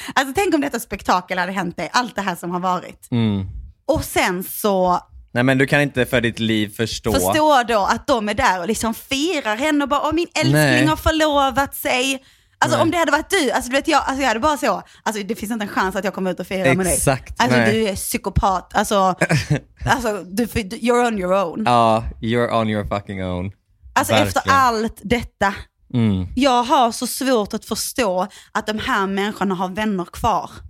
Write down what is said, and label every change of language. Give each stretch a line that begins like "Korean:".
Swedish: Alltså, tänk om detta spektakel hade hänt dig, allt det här som har varit. Mm. Och sen så... Nej, men du kan inte för ditt liv förstå. Förstå då att de är där och liksom firar henne och bara, min älskling har förlovat sig. Alltså, om det hade varit du, alltså, du vet, jag hade bara så, alltså, det finns inte en chans att jag kommer ut och firar med dig. Exakt. Alltså, du är psykopat.
English: Alltså, you're on your own. Ja, you're on your fucking own.
Swedish: Alltså, verkligen. Efter allt detta, jag har så svårt att förstå att de här människorna har vänner kvar.